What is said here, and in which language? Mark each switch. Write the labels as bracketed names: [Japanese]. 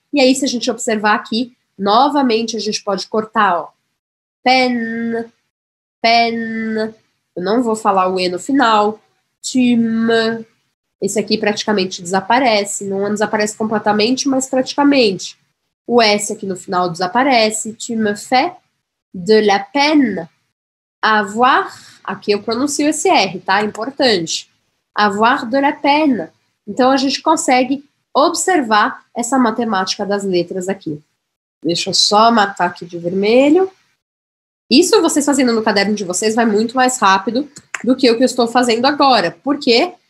[Portuguese] E aí, se a gente observar aqui, novamente a gente pode cortar, ó. Pen, pen. Eu não vou falar o E no final. Tim. Esse aqui praticamente desaparece. Não desaparece completamente, mas praticamente. O S aqui no final desaparece. [French] Tu me fais de la peine avoir. [Portuguese] Aqui eu pronuncio esse R, tá? Importante. [French] Avoir de la peine. [Portuguese] Então a gente consegue observar essa matemática das letras aqui. Deixa eu só matar aqui de vermelho. Isso vocês fazendo no caderno de vocês vai muito mais rápido do que o que eu estou fazendo agora. Por quê?